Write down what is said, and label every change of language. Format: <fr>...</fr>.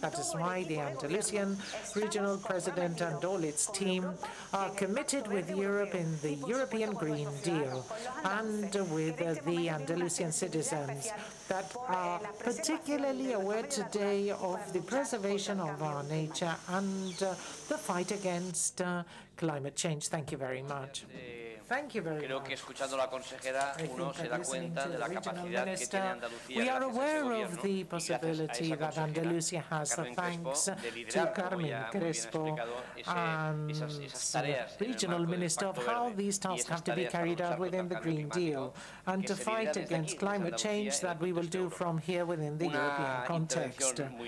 <en>That is why the Andalusian regional president and all its team are committed with Europe in the European Green Deal and with the Andalusian citizens that are particularly aware today of the preservation of our nature and the fight against climate change. Thank you very much. Thank you very much.</en> <es>Creo que la consejera, uno se da cuenta de la capacidad que tiene Andalucía.</es> <en>We are aware of the possibility that Andalucía has, thanks to Carmen Crespo and the regional minister, of how these tasks have to be carried out within the Green Deal and to fight against climate change that we will do from here within the European context.</en>